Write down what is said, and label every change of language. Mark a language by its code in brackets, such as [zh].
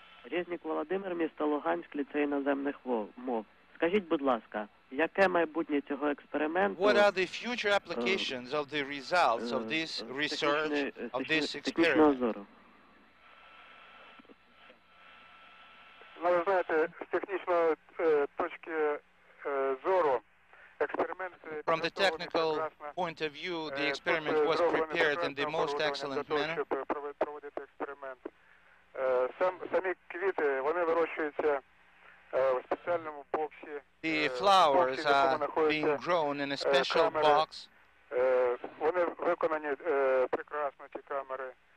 [uk] Резник Володимир, місто Луганськ, ліцей іноземних мов. Скажіть, будь ласка, яке майбутнє цього експерименту? [en] What are the future applications of the results of this research, of this experiment? [uk] Ну, ви знаєте, з технічної точки зору експеримент [en] From the technical point of view, the experiment was prepared in the most excellent manner. [uk] Проводити експеримент. Самі квіти, вони вирощуються в спеціальному боксі. [en] The flowers are being grown in a special box. [uk] Вони виконані прекрасно, ці камери.